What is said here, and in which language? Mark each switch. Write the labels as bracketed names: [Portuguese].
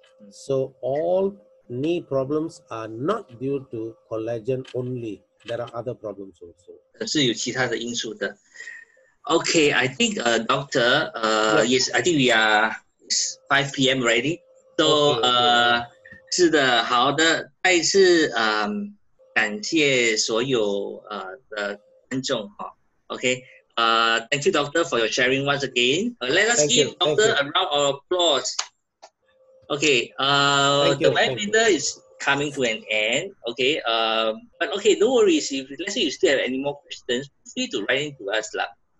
[English] So all knee problems are not due to collagen only. There are other problems also. [Chinese] 是有其他的因素的。 [English] Okay, I think doctor, yes, I think we are 5 p.m. already. So, okay. [Chinese] 是的，好的，再次感谢所有的观众哈。 [English] Okay, thank you, doctor, for your sharing once again. Let us give doctor a round of applause. Okay, the webinar is coming to an end. Okay, but okay, no worries. If let's say you still have any more questions, feel free to write in to us lah.